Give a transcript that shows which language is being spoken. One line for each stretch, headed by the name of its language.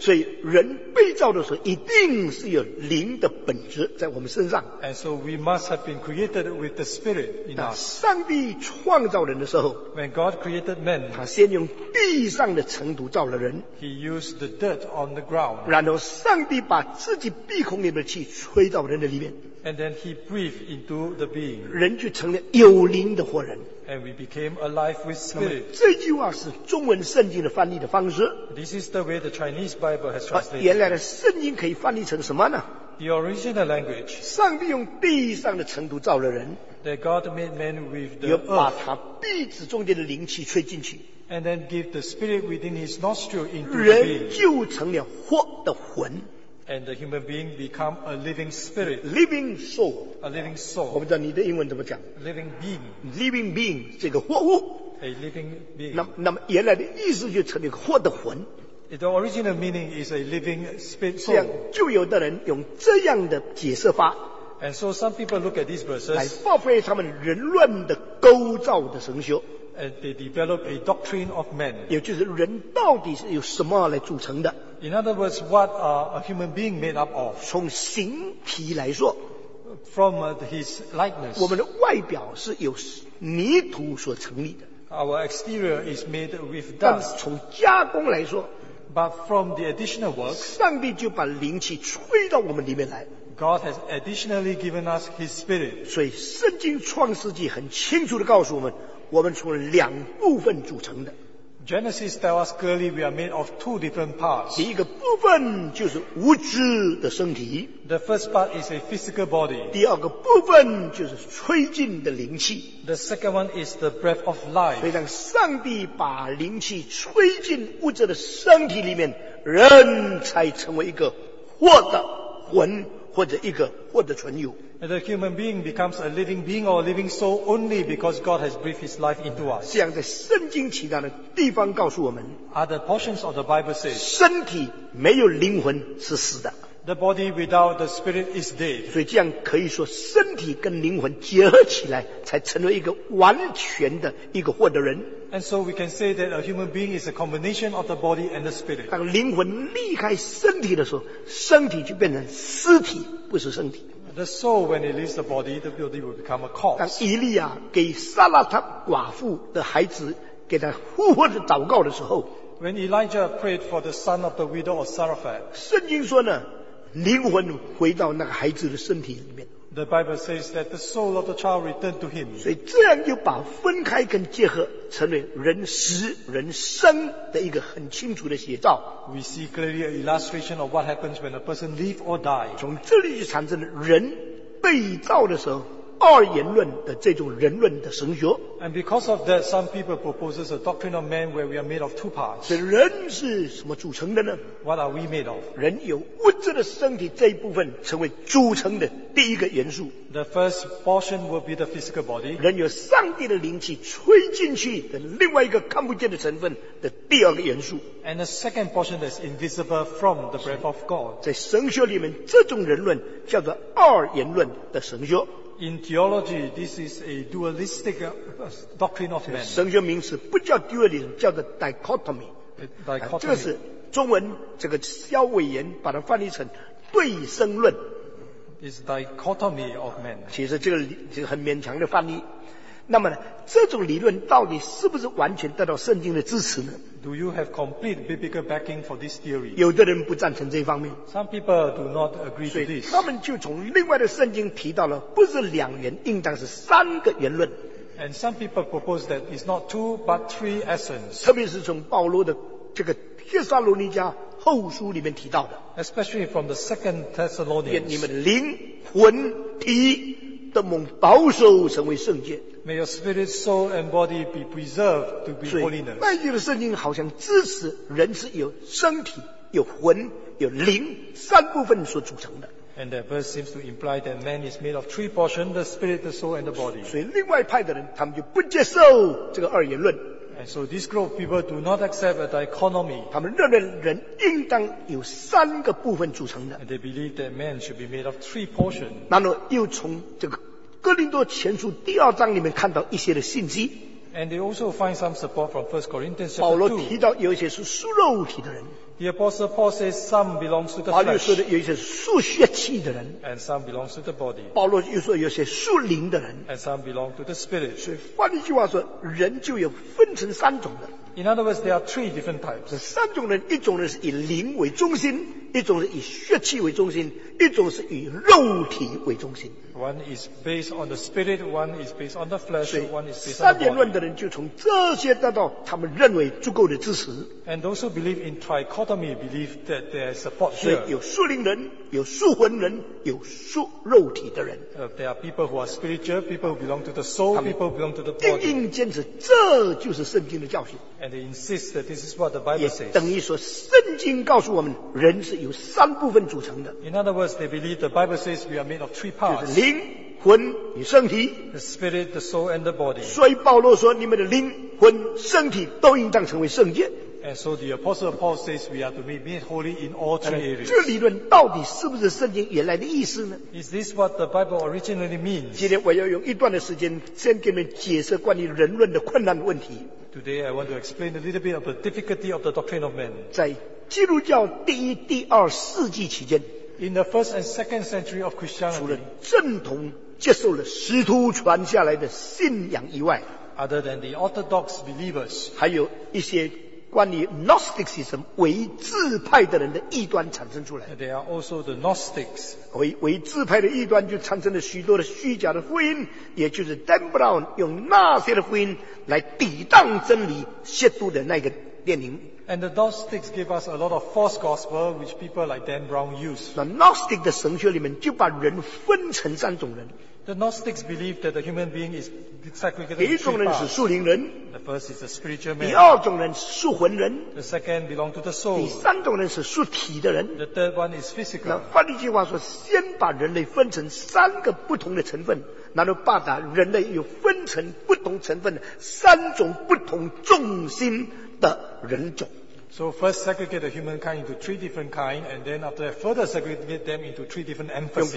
Chinese: 所以人被造的时候，一定是有灵的本质在我们身上。
English: And so we must have been created with the spirit in us.
Chinese: 上帝创造人的时候
English: ，When God created man,
Chinese: 他先用地上的尘土造了人。
English: He used the dirt on the ground.
Chinese: 然后上帝把自己鼻孔里面的气吹到人的里面。
English: And then he breathed into the being.
Chinese: 人就成了有灵的活人。
English: And we became alive with spirit.
Chinese: 这句话是中文圣经的翻译的方式。
English: This is the way the Chinese Bible has translated.
Chinese: 原来的圣经可以翻译成什么呢？
English: The original language.
Chinese: 上帝用地上的尘土造了人。
English: That God made man with the earth.
Chinese: 又把他鼻子中间的灵气吹进去。
English: And then give the spirit within his nostril into the being.
Chinese: 人就成了活的魂。
English: And the human being become a living spirit. Living soul. A living soul.
Chinese: 我不知道你的英文怎么讲。
English: Living being. Living being,
Chinese: 这个活物。
English: A living being.
Chinese: 那么原来的意思就成了活的魂。
English: The original meaning is a living spirit soul.
Chinese: 这样就有的人用这样的解释法。
English: And so some people look at these verses.
Chinese: 来报废他们人乱的构造的神学。
English: And they develop a doctrine of man.
Chinese: 也就是人到底是由什么来组成的。
English: In other words, what are a human being made up of?
Chinese: 从形体来说
English: from his likeness,
Chinese: 我们的外表是由泥土所成立的
English: our exterior is made with dust.
Chinese: 但从加工来说
English: but from the additional work,
Chinese: 上帝就把灵气吹到我们里面来
English: God has additionally given us his spirit.
Chinese: 所以圣经创世纪很清楚地告诉我们我们从两部分组成的
English: Genesis tells us clearly we are made of two different parts.
Chinese: 第一个部分就是物质的身体。
English: The first part is a physical body.
Chinese: 第二个部分就是吹进的灵气。
English: The second one is the breath of life.
Chinese: 所以当上帝把灵气吹进物质的身体里面，人才成为一个活的魂或者一个活的存有。
English: And the human being becomes a living being or a living soul only because God has breathed his life into us.
Chinese: 这样在圣经其他的地方告诉我们
English: Other portions of the Bible say,
Chinese: 身体没有灵魂是死的。
English: The body without the spirit is dead.
Chinese: 所以这样可以说身体跟灵魂结合起来才成为一个完全的一个活的人。
English: And so we can say that a human being is a combination of the body and the spirit.
Chinese: 当灵魂离开身体的时候身体就变成尸体不是身体。
English: The soul, when it leaves the body, the body will become a corpse.
Chinese: 当以利亚给撒拉塔寡妇的孩子给他呼唤的祷告的时候
English: When Elijah prayed for the son of the widow of Zarephath,
Chinese: 圣经说呢，灵魂回到那个孩子的身体里面。
English: The Bible says that the soul of the child returned to him.
Chinese: 所以这样就把分开跟结合成为人死人生的一个很清楚的写照。
English: We see clearly an illustration of what happens when a person live or die.
Chinese: 从这里就产生了人被造的时候二元论的这种人论的神学。
English: And because of that, some people proposes a doctrine of man where we are made of two parts.
Chinese: 所以人是什么组成的呢？
English: What are we made of?
Chinese: 人有物质的身体这一部分成为组成的第一个元素。
English: The first portion will be the physical body.
Chinese: 人有上帝的灵气吹进去的另外一个看不见的成分的第二个元素。
English: And the second portion is invisible from the breath of God.
Chinese: 在神学里面，这种人论叫做二元论的神学。
English: In theology, this is a dualistic doctrine of man.
Chinese: 神学名词不叫 dualism, 叫做 dichotomy.
English: Dichotomy.
Chinese: 这个是中文这个萧伟言把它翻译成对生论。
English: It's dichotomy of man.
Chinese: 其实这个很勉强的翻译。那么呢，这种理论到底是不是完全得到圣经的支持呢？
English: Do you have complete biblical backing for this theory?
Chinese: 有的人不赞成这方面。
English: Some people do not agree to this.
Chinese: 他们就从另外的圣经提到了，不是两元，应当是三个元论。
English: And some people propose that it's not two but three essence.
Chinese: 特别是从保罗的这个帖撒罗尼迦后书里面提到的。
English: Especially from the Second Thessalonians.
Chinese: 你们灵魂体的蒙保守成为圣洁。
English: May your spirit, soul, and body be preserved to be holiness.
Chinese: 所以，旧约的圣经好像支持人是由身体、有魂、有灵三部分所组成的。
English: And that verse seems to imply that man is made of three portions: the spirit, the soul, and the body.
Chinese: 所以，另外一派的人他们就不接受这个二元论。
English: And so this group of people do not accept a dichotomy.
Chinese: 他们认为人应当有三个部分组成的。
English: And they believe that man should be made of three portions.
Chinese: 然后又从这个哥林多前书第二章里面看到一些的信息
English: And they also find some support from 1 Corinthians 2
Chinese: 保罗提到有一些是属肉体的人
English: The Apostle Paul says some belongs to the flesh
Chinese: 保罗说的有一些是属血气的人
English: And some belongs to the body
Chinese: 保罗又说有些属灵的人
English: And some belong to the spirit
Chinese: 所以换一句话说人就有分成三种的
English: In other words, there are three different types
Chinese: 三种人一种人是以灵为中心一种是以血气为中心，一种是以肉体为中心。
English: One is based on the spirit, one is based on the flesh, one is based on the body.
Chinese: 三元论的人就从这些得到他们认为足够的支持。
English: And those who believe in trichotomy believe that there is support here.
Chinese: 所以有属灵人，有属魂人，有属肉体的人。
English: There are people who are spiritual, people who belong to the soul, people belong to the body.
Chinese: 定定坚持，这就是圣经的教训。
English: And they insist that this is what the Bible says.
Chinese: 也等于说，圣经告诉我们，人是由三部分组成的。
English: In other words, they believe the Bible says we are made of three parts.
Chinese: 就是灵、魂与身体。
English: The spirit, the soul, and the body.
Chinese: 所以保罗说，你们的灵、魂、身体都应当成为圣洁。
English: And so the Apostle Paul says we are to be made holy in all three areas.
Chinese: 这理论到底是不是圣经原来的意思呢？
English: Is this what the Bible originally means?
Chinese: 今天我要用一段的时间先给你们解释关于人论的困难问题。
English: Today I want to explain a little bit of the difficulty of the doctrine of man.
Chinese: 在基督教第一、第二世纪期间，
English: In the first and second century of Christianity,
Chinese: 除了正统接受了使徒传下来的信仰以外，
English: Other than the orthodox believers,
Chinese: 还有一些关于 Gnosticism 唯智派的人的异端产生出来。
English: There are also the Gnostics.
Chinese: 唯智派的异端就产生了许多的虚假的福音，也就是 Dan Brown 用那些的福音来抵挡真理亵渎的那个殿宁。
English: And the Gnostics give us a lot of false gospel, which people like Dan Brown use.
Chinese: 那 Gnostic 的神学里面就把人分成三种人。
English: The Gnostics believe that the human being is segregated.
Chinese: 第一种人是属灵人。
English: The first is a spiritual man.
Chinese: 第二种人是属魂人。
English: The second belong to the soul.
Chinese: 第三种人是属体的人。
English: The third one is physical.
Chinese: 那换一句话说，先把人类分成三个不同的成分，然后把人类又分成不同成分的三种不同重心的人种。
English: So first segregate the humankind into three different kinds, and then after that further segregate them into three different emphases.